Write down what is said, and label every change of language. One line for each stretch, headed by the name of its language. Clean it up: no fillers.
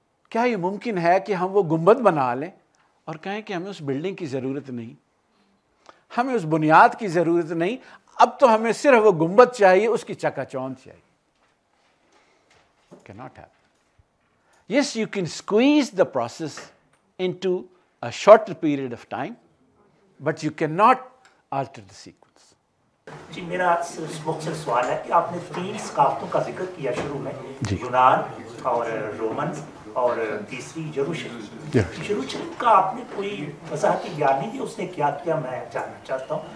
Urdu: کیا یہ ممکن ہے کہ ہم وہ گنبد بنا لیں اور کہیں کہ ہمیں اس بلڈنگ کی ضرورت نہیں, ہمیں اس بنیاد کی ضرورت نہیں, اب تو ہمیں صرف وہ گنبد چاہیے, اس کی چکا چوند چاہیے؟
English: Cannot happen. Yes, you can squeeze the process into a shorter period of time, but you cannot alter the sequence.
Urdu: جی میرا مختصر سوال ہے کہ آپ نے تین ثقافتوں کا ذکر کیا شروع میں, یونان اور رومن اور تیسری یروشلم. یروشلم کا آپ نے کوئی وضاحتی بیان نہیں دیا, اس نے کیا کیا, میں جاننا چاہتا ہوں.